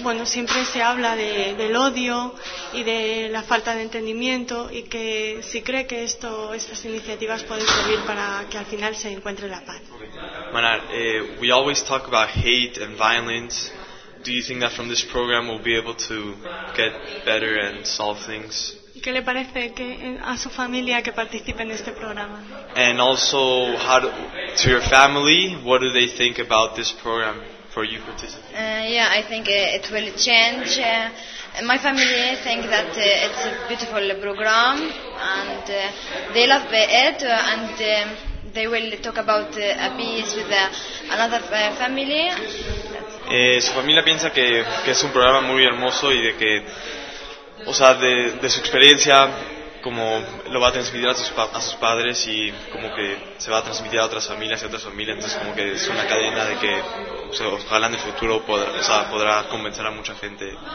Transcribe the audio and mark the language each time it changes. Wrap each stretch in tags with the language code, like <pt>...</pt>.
<es>bueno, siempre se habla del odio y de la falta de entendimiento, y que si cree que estas iniciativas pueden servir para que al final se encuentre la paz.</es> <en>Manar, we always talk about hate and violence. Do you think that from this program we'll be able to get better and solve things?</en> <es>¿Qué le parece que a su familia que participe en este programa?</es> <en>And also, to your family, what do they think about this program for you participating? Yeah, I think it will change. My family think that it's a beautiful program, and they love it, and they will talk about a peace with another family.</en> <es>Su familia piensa que es un programa muy hermoso y de que, o sea, de su experiencia, como lo va a transmitir a sus padres, y como que se va a transmitir a otras familias y a otras familias. Entonces, como que es una cadena de que, o sea, ojalá en el futuro podrá convencer a mucha gente.</es>